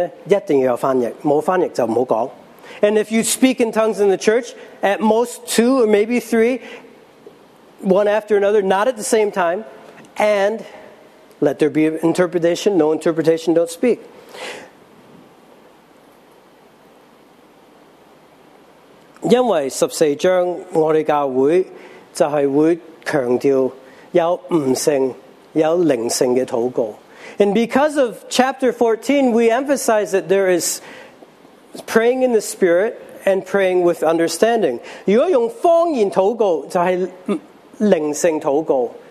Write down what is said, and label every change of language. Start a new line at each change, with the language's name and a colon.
Chinese: 所以如果在教会说方言，最多两三个人轮流，不是一起来，跟着呢，一定要有翻译，没翻译就不要讲。
English: And if you speak in tongues in the church, at most two or maybe three, one after another, not at the same time, and let there be interpretation, no interpretation, don't speak.
Chinese: 因为十四章我们教会就是会强调有悟性、有灵性的祷告。
English: And because of chapter 14, we emphasize that there is praying in the spirit and praying with understanding.
Chinese: 如果用方言祷告就是灵性祷告。